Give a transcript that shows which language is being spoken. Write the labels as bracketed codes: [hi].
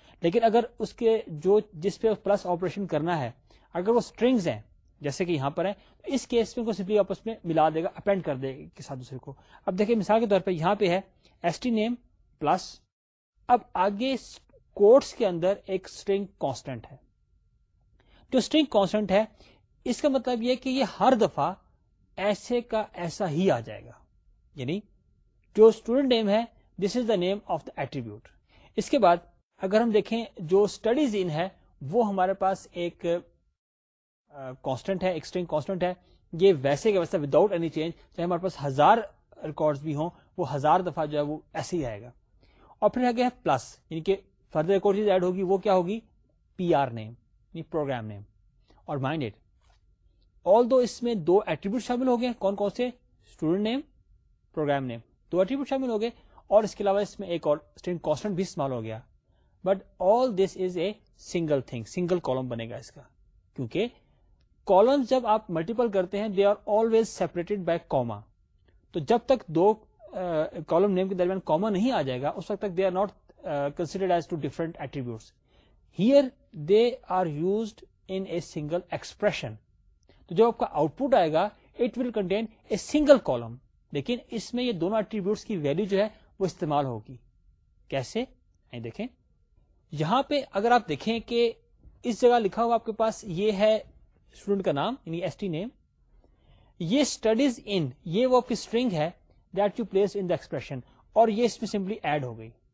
[ur] لیکن اگر اس کے جو جس پہ پلس آپریشن کرنا ہے اگر وہ سٹرنگز ہیں جیسے کہ یہاں پر ہیں, اس کیس میں کو سمپلی آپس میں ملا دے گا, اپینڈ کر دے گا کے ساتھ دوسرے کو. اب دیکھیں مثال کے طور پہ یہاں پہ ہے ایس ٹی نیم پلس, اب آگے کوٹس کے اندر ایک سٹرنگ کانسٹنٹ ہے. جو سٹرنگ کانسٹنٹ ہے اس کا مطلب یہ کہ یہ ہر دفعہ ایسے کا ایسا ہی آ جائے گا. یعنی جو اسٹوڈنٹ نیم ہے [en] This is the name of the attribute. [ur] اس کے بعد اگر ہم دیکھیں جو اسٹڈیز ان ہے وہ ہمارے پاس ایک کانسٹنٹ ہے, ایک سٹرنگ کانسٹنٹ ہے. یہ ویسے کے ویسے وداؤٹ اینی چینج, چاہے ہمارے پاس ہزار ریکارڈز بھی ہوں وہ ہزار دفعہ جو ہے وہ ایسے ہی آئے گا. اور پھر آگے پلس, یعنی کہ فردر ریکارڈ چیز ایڈ ہوگی, وہ کیا ہوگی, پی آر نیم یعنی پروگرام نیم. اور مائنڈ اٹ, آل دو اس میں دو ایٹریبیوٹ شامل ہو گئے, کون کون سے, اسٹوڈنٹ نیم پروگرام نیم, دو ایٹریبیوٹ شامل ہو گئے, اور اس کے علاوہ اس میں ایک اور سٹرنگ کانسٹنٹ بھی استعمال ہو گیا. [en] but all this is a single thing, [ur] single column بنے گا اس کا, کیونکہ کالمز جب آپ ملٹیپل کرتے ہیں [en] They are always separated by comma. [ur] تو جب تک دو کالم نیم کے درمیان کوما نہیں آ جائے گا اس وقت تک [en] They are not considered as two different attributes. Here they are used in a single expression. [ur] تو جو آپ کا آؤٹ پٹ آئے گا [en] it will contain a single column, [ur] لیکن اس میں یہ دونوں ایٹریبیوٹس کی ویلیو جو ہے وہ استعمال ہوگی. کیسے دیکھیں, یہاں پہ اگر آپ دیکھیں کہ اس جگہ لکھا ہوا آپ کے پاس یہ ہے اسٹوڈنٹ کا نام یعنی ایس ٹی نیم, یہ اسٹڈیز ان یہ وہ آپ کی اسٹرنگ ہے [en] that you place in the expression, [ur] اور یہ اس میں سمپلی ایڈ ہو گئی.